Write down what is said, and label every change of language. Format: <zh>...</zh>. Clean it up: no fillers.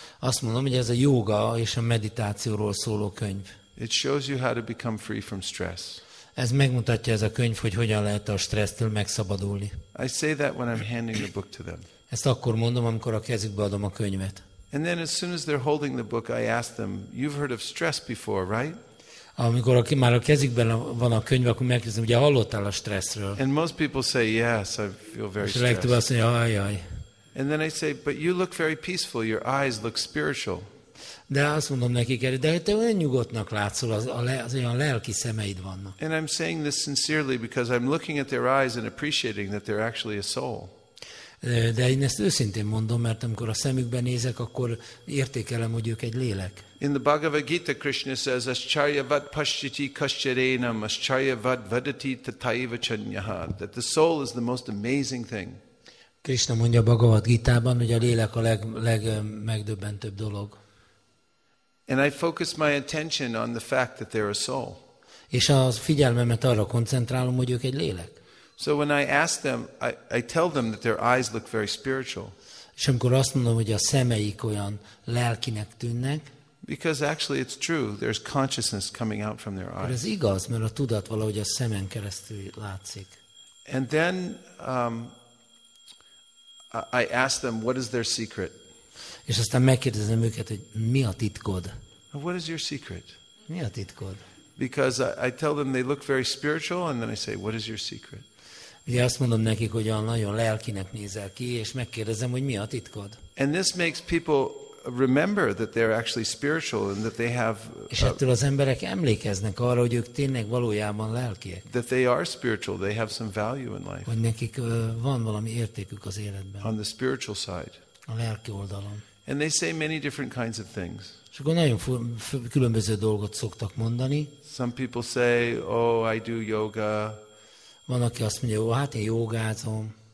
<hu>Azt mondom, hogy ez a jóga és a meditációról szóló könyv.</hu> <en>It shows you how to become free from stress.</en> <hu>Ez megmutatja ez a könyv, hogy hogyan lehet a stressztől megszabadulni.</hu> <en>I say that when I'm handing the book to them.</en> <hu>Ezt akkor mondom, amikor a kezükbe adom a könyvet.</hu> <en>And then as soon as they're holding the book, I ask them, you've heard of stress before, right?</en> <hu>Amikor már a kezükben van a könyv, akkor megkérdezem, ugye hallottál a stresszről?</hu> <en>And most people say, yes, I feel very stressed.</en> <hu>És a legtöbb azt mondja, ajaj.</hu> <en>And then I say, but you look very peaceful, your eyes look spiritual.</en> <hu>De azt mondom nekik, de te olyan nyugodtnak látszol, az olyan lelki szemeid vannak.</hu> <en>And I'm saying this sincerely because I'm looking at their eyes and appreciating that they're actually a soul.</en> <hu>De én ezt őszintén mondom, mert amikor a szemükbe nézek, akkor értékelem, hogy ők egy lélek.</hu> <en>In the Bhagavad Gita, Krishna says,</en> <sa>Ascharya vad paschiti kascharenam, ascharya vad vadati tataiva chanyaha,</sa> <en>that the soul is the most amazing thing.</en> <hu>Krishna mondja a Bhagavad Gitában, hogy a lélek a legmegdöbbentőbb dolog.</hu> <en>And I focus my attention on the fact that they're a soul.</en> <hu>És a figyelmemet arra koncentrálom, hogy ők egy lélek.</hu> <en>So when I ask them, I tell them that their eyes look very spiritual.</en> <hu>És amikor azt mondom, hogy a szemeik olyan lelkinek tűnnek.</hu> <en>Because actually it's true, there's consciousness coming out from their eyes.</en> <hu>Ez igaz, mert a tudat valahogy a szemen keresztül látszik.</hu> <en>And then I ask them, what is their secret?</en> <hu>És aztán megkérdezem őket, hogy mi a titkod?</hu> <en>What is your secret?</en> <hu>Mi a titkod?</hu> <en>Because I tell them they look very spiritual, and then I say, what is your secret?</en> <hu>Ugye azt mondom nekik, hogy olyan nagyon lelkinek nézel ki, és megkérdezem, hogy mi a titkod?</hu> <en>And this makes people remember that they're actually spiritual and that they have.</en> <hu>És ettől az emberek emlékeznek arra, hogy ők tényleg valójában lelkiek.</hu> <en>That they are spiritual, they have some value in life.</en> <hu>Hogy nekik van valami értékük az életben.</hu> <en>On the spiritual side.</en> <hu>A lelki oldalon.</hu> <en>And they say many different kinds of things.</en> <hu>És akkor nagyon különböző dolgot szoktak mondani.</hu> <en>Some people say, oh, I do yoga.</en> <hu>Van, aki azt mondja, oh, hát én jogázom.</hu>